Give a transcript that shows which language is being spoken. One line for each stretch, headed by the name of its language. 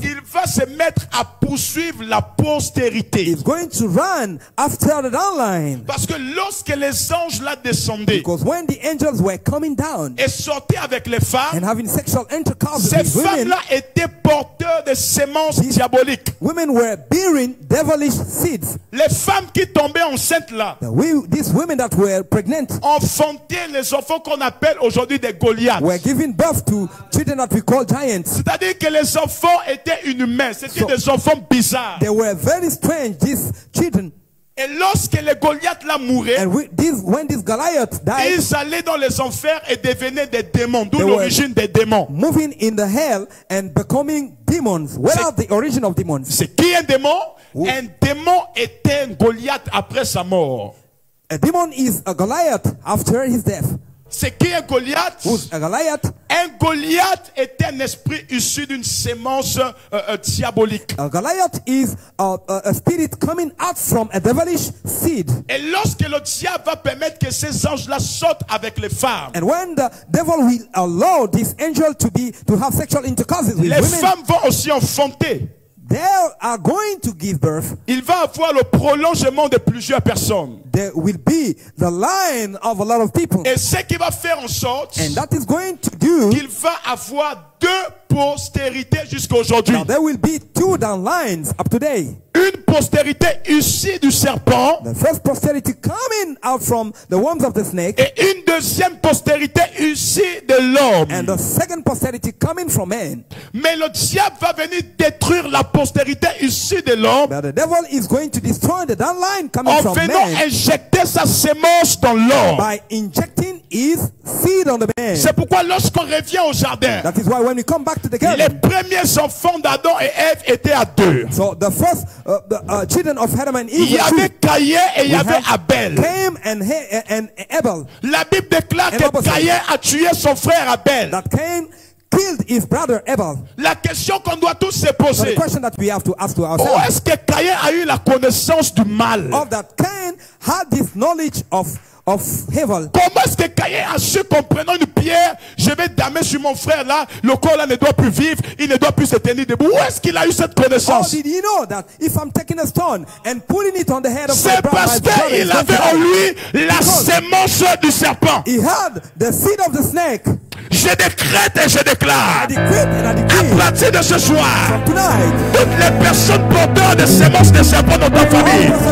French: Il va se mettre à poursuivre la postérité.
English: He's going to run after the downline.
French: Parce que lorsque les anges la descendaient,
English: because when the angels were coming down,
French: et sortaient avec les femmes,
English: and having sexual intercourse with women,
French: ces femmes-là étaient porteurs de semences diaboliques.
English: Women were bearing devilish seeds.
French: Les femmes qui tombaient enceintes là,
English: these women that were pregnant,
French: enfanter les enfants qu'on appelle aujourd'hui des Goliaths.
English: We're giving birth to children that we call giants.
French: C'est-à-dire que les enfants étaient inhumains. C'était des enfants bizarres.
English: They were very strange, these children.
French: Et lorsque les Goliaths la mouraient,
English: when these Goliaths died,
French: ils allaient dans les enfers et devenaient des démons. D'où l'origine des démons.
English: Moving in the hell and becoming demons. Where are the origin of demons?
French: C'est qui un démon?
English: Who?
French: Un démon était un Goliath après sa mort.
English: A demon is a Goliath after his death.
French: C'est qui un Goliath?
English: Who's a Goliath?
French: Un Goliath est un esprit issu d'une semence diabolique.
English: A Goliath is a spirit coming out from a devilish seed.
French: Et lorsque le diable va permettre que ces anges-là sortent avec les femmes,
English: and when the devil will allow this angel to have sexual intercourse with
French: les
English: women,
French: femmes vont aussi enfanter.
English: They are going to give birth.
French: Il va avoir le prolongement de plusieurs personnes.
English: There will be the line of a lot of people.
French: Et ce qui va faire en sorte,
English: and that is going to do,
French: qu'il va avoir deux postérités jusqu'à aujourd'hui.
English: Now there will be two down lines up today.
French: Une postérité issue du serpent.
English: The first posterity coming out from the womb of the snake.
French: Et une deuxième postérité issue de l'homme.
English: And the second posterity coming from man.
French: Mais le diable va venir détruire la postérité issue de l'homme.
English: But the devil is going to destroy the down line coming from man.
French: En venant injecter sa semence dans l'homme.
English: By injecting his seed on the man.
French: C'est pourquoi lorsqu'on revient au jardin,
English: that is why when we come back to the garden,
French: les premiers enfants d'Adam et Ève étaient à deux.
English: So the first children of Adam and Eve.
French: Il y avait Caïn et il y avait Abel.
English: Cain and Abel.
French: La Bible déclare que Caïn a tué son frère Abel.
English: That Cain killed his brother Abel.
French: La question qu'on doit tous se poser.
English: So the question that we have to ask to ourselves.
French: Où est-ce que Caïn a eu la connaissance du mal?
English: Of that Cain had this knowledge of evil.
French: Comment est-ce que Caïn a su qu'en prenant une pierre, je vais damer sur mon frère là, le corps là ne doit plus vivre, il ne doit plus se tenir debout. Où est-ce qu'il a eu cette connaissance?
English: Oh, did he know that if I'm taking a stone and putting it on the head of
French: c'est
English: my brother?
French: C'est parce qu'il avait en lui la semence du serpent.
English: He had the seed of the snake.
French: Je décrète et je déclare.
English: I decree and I decree.
French: À partir de ce soir,
English: from tonight,
French: toutes les personnes porteurs de semences de serpent dans ta famille.